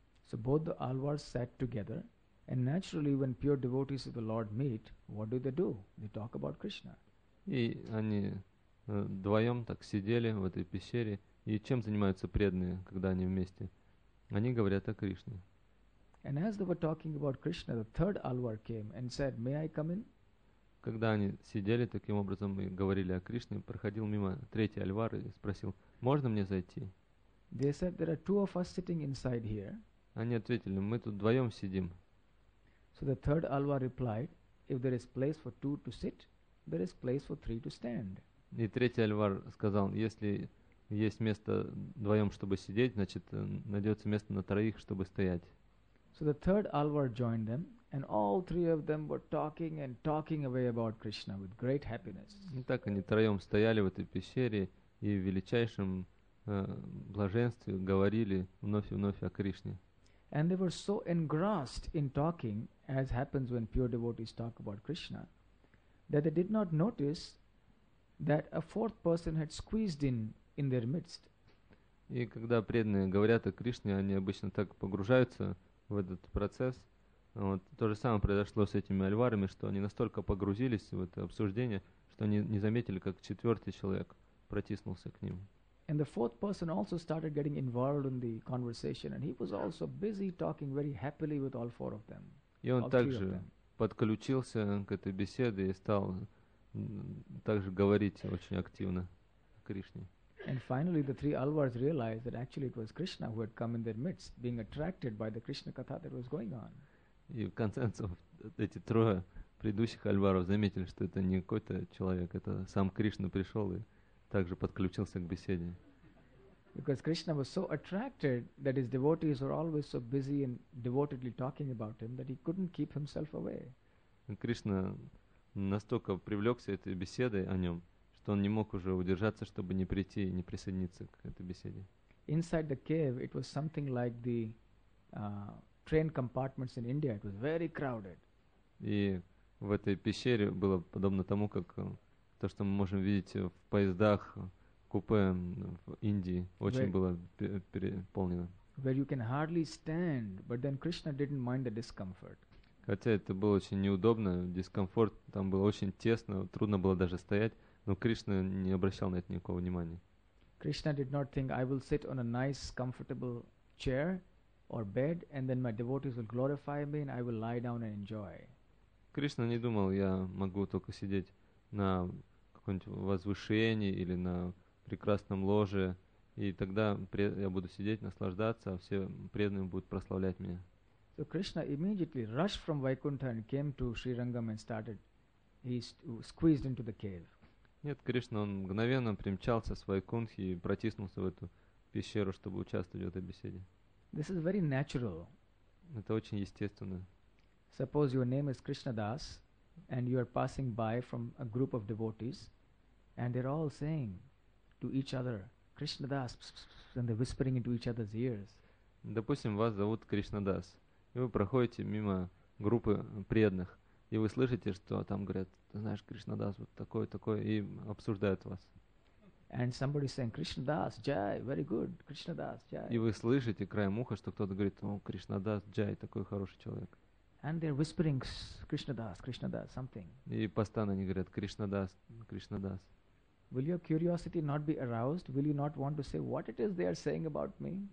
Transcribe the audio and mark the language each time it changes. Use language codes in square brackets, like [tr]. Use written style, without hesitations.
[en] So both the Alvars sat together, and naturally when pure devotees of the Lord meet, what do? They talk about Krishna. [ru] И они вдвоем так сидели в этой пещере, и чем занимаются преданные, когда они вместе? Они говорят о Кришне. [en] And as they were talking about Krishna, the third Alvar came and said, may I come in? [ru] Когда они сидели таким образом и говорили о Кришне, проходил мимо третий Альвар и спросил, можно мне зайти? [en] They said, there are two of us sitting inside here. [ru] Они ответили, мы тут вдвоем сидим. [en] So the third Alvar replied, if there is place for two to sit, there is place for three to stand. [ru] И третий Альвар сказал, если есть место вдвоем, чтобы сидеть, значит, найдется место на троих, чтобы стоять. [en] So the third Alvar joined them, and all three of them were talking and talking away about Krishna with great happiness. [ru] И так они втроем стояли в этой пещере и в величайшем блаженстве говорили вновь и вновь о Кришне. [en] And they were so engrossed in talking, as happens when pure devotees talk about Krishna, that they did not notice that a fourth person had squeezed in their midst. [ru] И когда преданные говорят о Кришне, они обычно так погружаются в этот процесс. Вот то же самое произошло с этими альварами, что они настолько погрузились в это обсуждение, что они не заметили, как четвертый человек протиснулся к ним. [en] And the fourth person also started getting involved in the conversation, and he was also busy talking very happily with all four of them. [ru] И он также подключился к этой беседе и стал также говорить очень активно о Кришне. [en] And finally, the three Alvars realized that actually it was Krishna who had come in their midst, being attracted by the Krishna katha that was going on. [ru] И в конце концов эти трое предыдущих Альваров заметили, что это не какой-то человек, это сам Кришна пришел и также подключился к беседе. [en] Because Krishna was so attracted that his devotees were always so busy and devotedly talking about him that he couldn't keep himself away. [ru] Кришна настолько привлекся этой беседой о нем, что он не мог уже удержаться, чтобы не прийти и не присоединиться к этой беседе. [en] Inside the cave, it was something like the train compartments in India. It was very crowded. [ru] И в этой пещере было подобно тому, как то, что мы можем видеть в поездах, купе в Индии, очень where было переполнено. [en] Where you can hardly stand, but then Krishna didn't mind the discomfort. [ru] Хотя это было очень неудобно, дискомфорт, там было очень тесно, трудно было даже стоять, но Кришна не обращал на это никакого внимания. [en] Krishna did not think, I will sit on a nice, comfortable chair or bed, and then my devotees will glorify me, and I will lie down and enjoy. [ru] Кришна не думал, я могу только сидеть на каком-нибудь возвышении или на прекрасном ложе, и тогда я буду сидеть, наслаждаться, а все преданные будут прославлять меня. [en] So Krishna immediately rushed from Vaikuntha and came to Sri Rangam and started, he squeezed into the cave. [ru] Нет, Кришна, он мгновенно примчался с Вайкунтхи и протиснулся в эту пещеру, чтобы участвовать в этой беседе. [en] This is very natural. [ru] Это очень естественно. [en] Suppose your name is Krishna Das, and you are passing by from a group of devotees, and they're all saying to each other, Krishna Das, and they're whispering into each other's ears. [ru] Допустим, вас зовут Кришна Дас, и вы проходите мимо группы преданных, и вы слышите, что там говорят, ты знаешь, Кришна Дас, вот такое, такое, и обсуждают вас. [en] And somebody saying, Krishna Das, Jai, very good, Krishna Das, Jai. [ru] И вы слышите краем уха, что кто-то говорит, о, Кришна Дас, Джай, такой хороший человек. [en] And they're whispering, Krishna Das, Krishna Das, something. [ru] И постоянно они говорят, Krishna Das, Krishna Das. [en] Will your curiosity not be aroused? Will you not want to say what it is they are saying about me?